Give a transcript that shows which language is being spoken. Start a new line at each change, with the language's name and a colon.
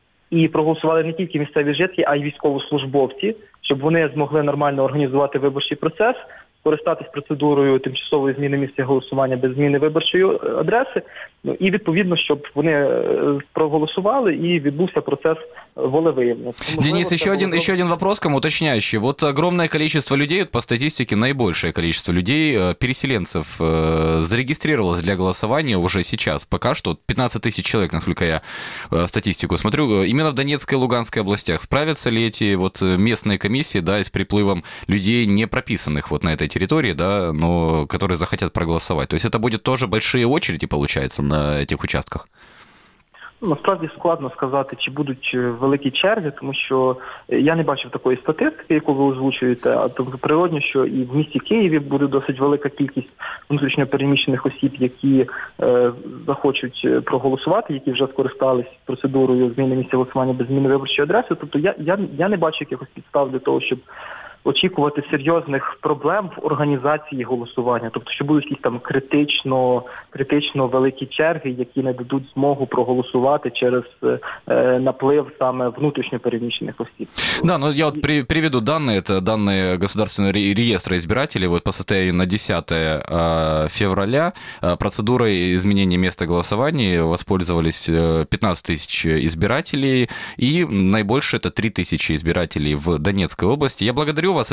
Ukrainian: і проголосували не тільки місцеві жителі, а й військовослужбовці, щоб вони змогли нормально організувати виборчий процес, користатись процедурою тимчасової зміни місця голосування без зміни виборчої адреси, ну і відповідно, щоб вони проголосували і відбувся процес волевиявлення.
Russian: Денис, ще один вопрос, кому уточняющий. Вот огромное количество людей, по статистике, наибольшее количество людей, переселенцев, зарегистрировалось для голосования уже сейчас, пока что 15 тысяч человек, насколько я статистику смотрю, именно в Донецкой и Луганской областях. Справятся ли эти вот местные комиссии, да, с приплывом людей, не прописанных вот на этой территории, да, но которые захотят проголосовать? То есть это будет тоже большие очереди, получается, на этих участках?
Ukrainian: Насправді складно сказати, чи будуть великі черги, тому що я не бачив такої статистики, яку ви озвучуєте, а то природно, що і в місті Києві буде досить велика кількість внутрішньо переміщених осіб, які захочуть проголосувати, які вже скористались процедурою зміни місця голосування без зміни виборчої адреси. Тобто я не бачу якихось підстав для того, щоб очікувати серйозних проблем в організації голосування. Тобто, що будуть якісь там критично великі черги, які не дадуть змогу проголосувати через наплив саме внутрішньо переміщених осіб.
Russian: Да,
Ukrainian: ну я от приведу дані, це дані
Russian: Государственного реєстру избирателей, вот по состоянию на 10 февраля процедурой изменения места голосования воспользовались 15 тысяч избирателей и наибольше это 3 тысячи избирателей в Донецкой области. Я благодарю вас.